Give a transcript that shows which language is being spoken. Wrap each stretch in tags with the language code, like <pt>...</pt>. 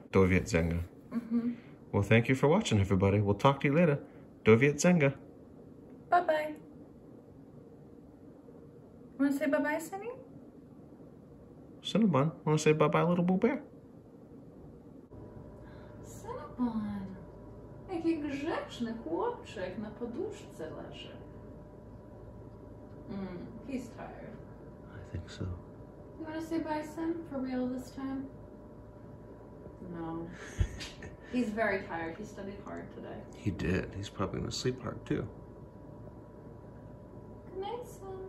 <pl>Do widzenia. Mm-hmm.</pl> <en>Well, thank you for watching, everybody. We'll talk to you later.</en> <pl>Do widzenia.</pl> <en>Bye-bye. Want to say bye-bye, Cindy? Cinnabon. Want to say bye-bye, little boo bear? Cinnabon.</en> <pl>Jaki grzeczny chłopczyk na poduszce leży.</pl> <en>He's tired. I think so. You want to say bye, Sin, for real this time? No. He's very tired. He studied hard today. He did. He's probably going to sleep hard, too. Good night, Sin.</en>